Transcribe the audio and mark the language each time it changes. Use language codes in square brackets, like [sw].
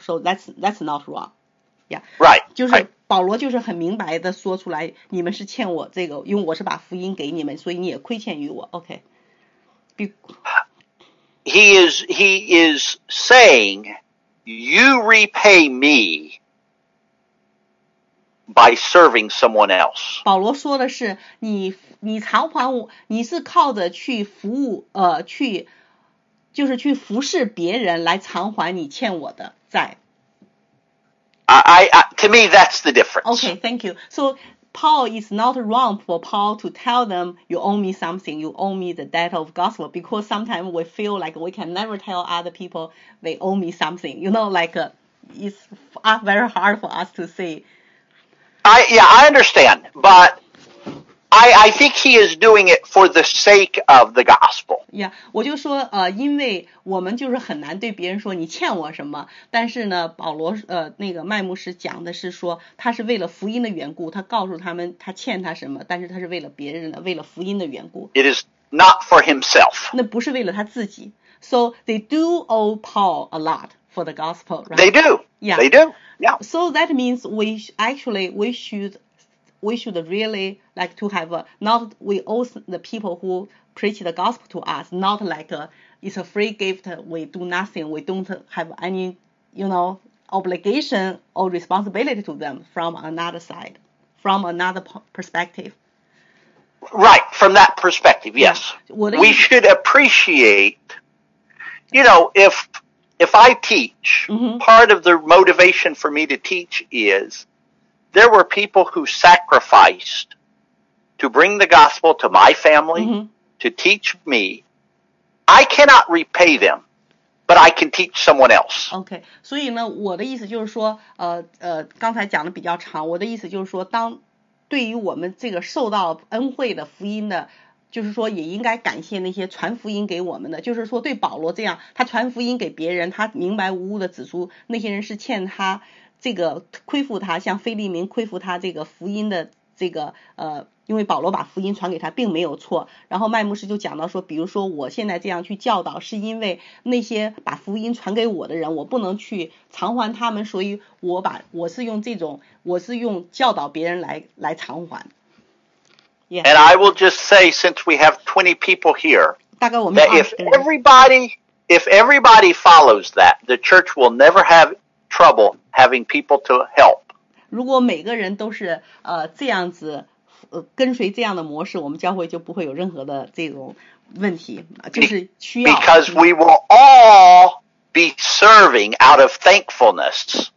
[en] So that's not wrong. Yeah. Right. [zh] 就是保罗就是很明白的说出来，你们是欠我这个，因为我是把福音给你们，所以你也亏欠于我。 [en] OK. He is saying, you repay me by serving someone else. [zh] 保罗说的是，你偿还我，你是靠着去服务去就是去服侍别人来偿还你欠我的债。 [en] To me, that's the difference. Okay, thank you. So, Paul is not wrong for Paul to tell them, you owe me something, you owe me the debt of gospel, because sometimes we feel like we can never tell other people they owe me something. You know, like, it's very hard for us to say. I understand, but I think he is doing it for the sake of the gospel. [zh] Yeah, 我就说因为我们就是很难对别人说你欠我什么，但是呢保罗那个麦牧师讲的是说他是为了福音的缘故，他告诉他们他欠他什么，但是他是为了别人的，为了福音的缘故。 [en] It is not for himself. [zh] 那不是为了他自己。 [en] So they do owe Paul a lot for the gospel, right? They do. Yeah. They do. Yeah. So that means we should really like to have we owe the people who preach the gospel to us, not like it's a free gift, we do nothing, we don't have any, you know, obligation or responsibility to them from another side, from another perspective. Right, from that perspective, yes. Yeah. We should appreciate, you know, if I teach, mm-hmm. part of the motivation for me to teach is,there were people who sacrificed to bring the gospel to my family, mm-hmm. to teach me. I cannot repay them, but I can teach someone else. [zh] Okay, 所以呢，我的意思就是说，刚才讲的比较长，我的意思就是说，当对于我们这个受到恩惠的福音的，就是说也应该感谢那些传福音给我们的，就是说对保罗这样，他传福音给别人，他明白无误的指出那些人是欠他。这个亏负他，像腓利民亏负他这个福音的这个因为保罗把福音传给他并没有错。然后麦牧师就讲到说，比如说我现在这样去教导，是因为那些把福音传给我的人，我不能去偿还他们，所以我是用教导别人来偿还。 [en] Yeah. And I will just say, since we have 20 people here, [zh] 大概我们 [en] if everybody follows that, the church will never have trouble. Having people to help. [zh] 如果每个人都是这样子跟随这样的模式，我们教会就不会有任何的这种问题，就是需要。 [en] Because we will all be serving out of thankfulness.